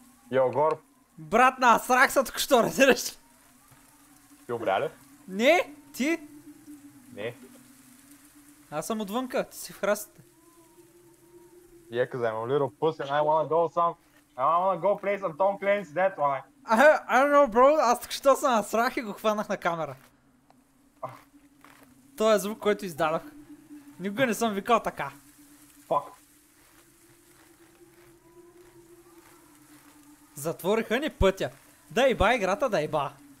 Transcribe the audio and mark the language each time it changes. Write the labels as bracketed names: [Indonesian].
[Bulgarian] Йо, Гор! Брат, насрах се току-що, разбираш? Ти умря ли? Не, ти? Не. Аз съм отвънка, ти си в храстите. [English] Yeah, I'm a little pussy and I wanna go some... I wanna go play some Tom Clancy's Deathline. I don't know, bro, [Bulgarian] аз току-що се насрах и го хванах на камера. Той е звук, който издадох. Никога не съм викал така. [English] Fuck. [Bulgarian] Затвориха ни пътя. Да еба играта, да еба.